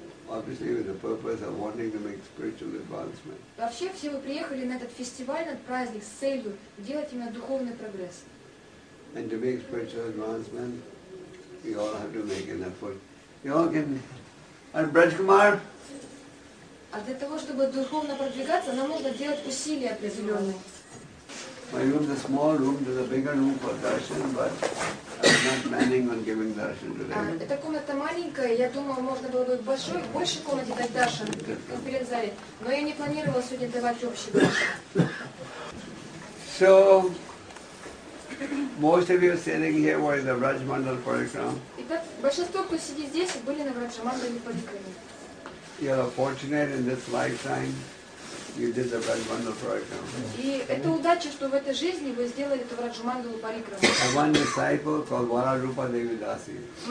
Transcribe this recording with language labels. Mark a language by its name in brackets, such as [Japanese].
[English] Obviously, with the purpose of wanting to make spiritual advancement. [Russian] Вообще, все вы приехали на этот фестивальный праздник с целью делать именно духовный прогресс. [English] And to make spiritual advancement, we all have to make an effort. You all can. And Braj Kumar. [Russian] А для того, чтобы духовно продвигаться, нам нужно делать усилия определенные. [English] My room is a small room, there's a bigger room for darshan, but I'm not planning on giving darshan today. [Russian] Эта комната маленькая, я думала, можно было бы большой, больше комнате дать darshan, конференц-зале, но я не планировала сегодня давать общий darshan. [English] So, most of you sitting here were in the Brajmandal Parikram. [Russian] Итак, большинство, кто сидит здесь, были на Брадж-мандале Парикраме. [English] You are fortunate in this lifetime [Russian] И это удача, что в этой жизни вы сделали эту Враджамандалу Парикраму. У